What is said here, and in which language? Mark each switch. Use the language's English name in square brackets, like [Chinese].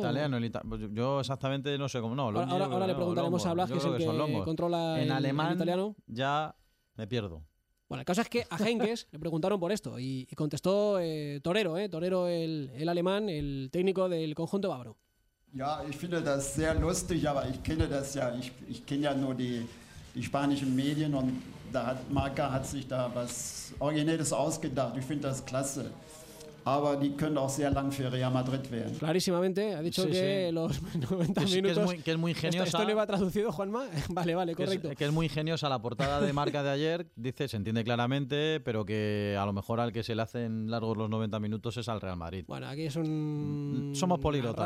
[Spanish] Italiano, el italiano, yo exactamente no sé cómo, no. Longi, ahora le preguntaremos a Blas, que es el que controla en alemán, el italiano. Ya me pierdo. Bueno, el caso es que a Heynckes le preguntaron por esto y contestó Torero el alemán, el técnico del conjunto bávaro. [German] Ja, ich finde das sehr lustig, aber ich kenne das ja, ich kenne ja nur die spanischen Medien und da hat Marca hat sich da was Originelles ausgedacht. Ich finde das klasse. Aber die können auch sehr lang für Real Madrid werden. [Spanish] Clarísimamente, ha dicho sí, que sí. Los 90 minutos... Que es muy ingeniosa. ¿Esto le va traducido, Juanma? Vale, correcto. Que es muy ingeniosa la portada de Marca de ayer. Dice, se entiende claramente, pero que a lo mejor al que se le hacen largos los 90 minutos es al Real Madrid. Bueno, aquí es un... Somos políglotas.